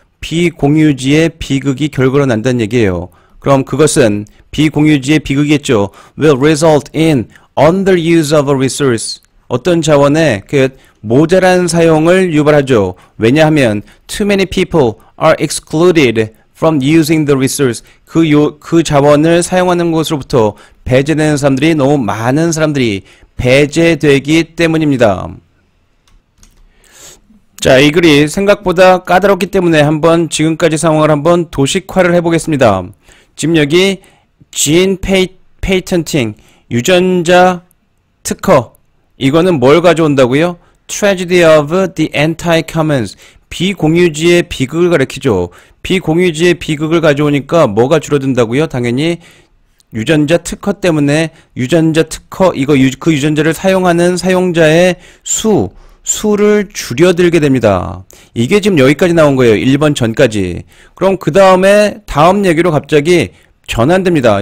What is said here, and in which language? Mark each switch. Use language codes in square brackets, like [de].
[ko] 비공유지의 비극이 결과로 난다는 얘기예요. 그럼 그것은 비공유지의 비극이겠죠. [en] Will result in underuse of a resource. [ko] 어떤 자원의 그 모자란 사용을 유발하죠. [en] 왜냐하면 too many people are excluded from using the resource. [ko] 그 자원을 사용하는 것으로부터 배제되는 사람들이 너무 많은 사람들이 배제되기 때문입니다. 자, 이 글이 생각보다 까다롭기 때문에 한번 지금까지 상황을 한번 도식화를 해보겠습니다. 지금 여기 gene patenting, 유전자 특허, 이거는 뭘 가져온다고요? [en] Tragedy of the Anti-Commons, [ko] 비공유지의 비극을 가리키죠. 비공유지의 비극을 가져오니까 뭐가 줄어든다고요? 당연히 유전자 특허 때문에 유전자 특허, 그 유전자를 사용하는 사용자의 수를 줄여들게 됩니다. 이게 지금 여기까지 나온 거예요. 1번 전까지. 그럼 그 다음에 다음 얘기로 갑자기 전환됩니다.